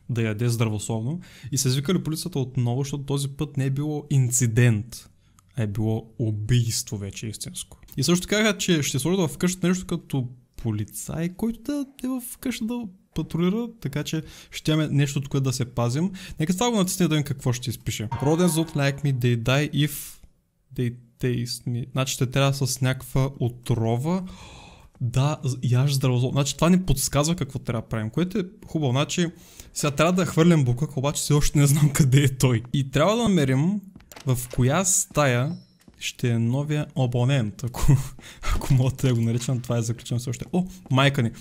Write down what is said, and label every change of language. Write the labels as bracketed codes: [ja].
[bg] да яде здравословно. И са извикали полицията отново, защото този път не е било инцидент, а е било убийство вече истинско. И също казаха, че ще сложат в къщата нещо като полицай, който да е в къщата да патрулира, така че ще имаме нещо от което да се пазим. Нека става го натисне да видим какво ще изпише. [en] Rodents don't like me, they die if they taste me. [bg] Значи ще трябва с някаква отрова. Да, яж здравословно. Значи това ни подсказва какво трябва да правим, което е хубаво. Значи сега трябва да хвърлям букък, обаче все още не знам къде е той. И трябва да намерим в коя стая ще е новия абонент, ако мога да го наричам, това е заключено все още. О, майка ни.